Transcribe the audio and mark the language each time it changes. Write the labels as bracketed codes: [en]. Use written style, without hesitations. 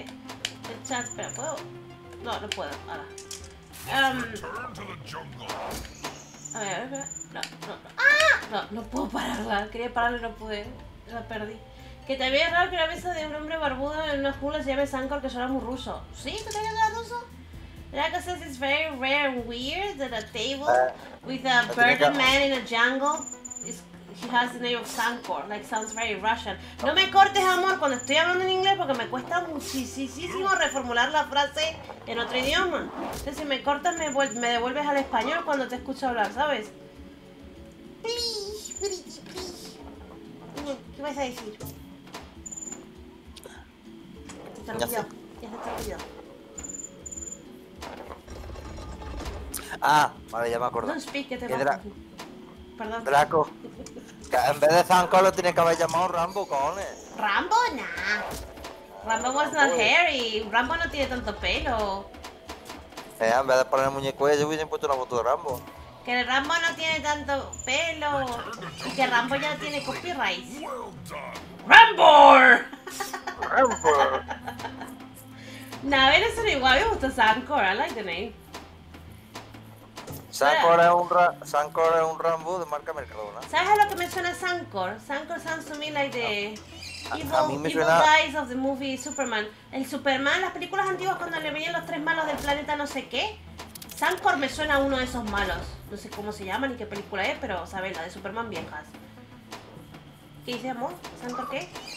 [es] El chat, espera, ¿puedo? No, no puedo, ahora. A ver, espera. No. ¡Ah! No puedo pararla, quería pararla y no pude. La perdí. Que te había raro que la mesa de un hombre barbudo en una jula se llame Sankor, que suena muy ruso. ¿Sí? ¿Te te había quedado ruso? [en] Draco says it's very rare and weird that a table with a bearded man in a jungle is he has the name of Sankor. Like, sounds very Russian. [es] No me cortes, amor, cuando estoy hablando en inglés porque me cuesta muchísimo reformular la frase en otro idioma. Entonces, si me cortas, me devuelves al español cuando te escucho hablar, ¿sabes? [en] Please, pretty, please. [es] ¿Qué vas a decir? Ya se está olvidando. Ah, vale, ya me acuerdo. [en] No speak, [es] que te mato. Perdón. Draco. En vez de Sankor lo tiene que haber llamado Rambo, cojones. [en] Rambo, nah. Rambo was not hairy. [es] Rambo no tiene tanto pelo. En vez de poner el muñeco, yo hubiese puesto una foto de Rambo. Que el Rambo no tiene tanto pelo. Y que Rambo ya tiene copyright. ¡Rambo! ¡Rambo! Nah, a ver, eso no igual me gusta Sankor. [en] I like the name. [es] Sankor es un Sankor es un Rambo de marca Mercadona. ¿Sabes a lo que me suena Sankor? [en] Sankor sounds to me like the evil guys of the movie Superman. [es] El Superman, las películas antiguas cuando le venían los tres malos del planeta no sé qué. Sankor me suena a uno de esos malos. No sé cómo se llama ni qué película es, pero sabes, la de Superman viejas. ¿Qué dice amor? ¿Sankor qué?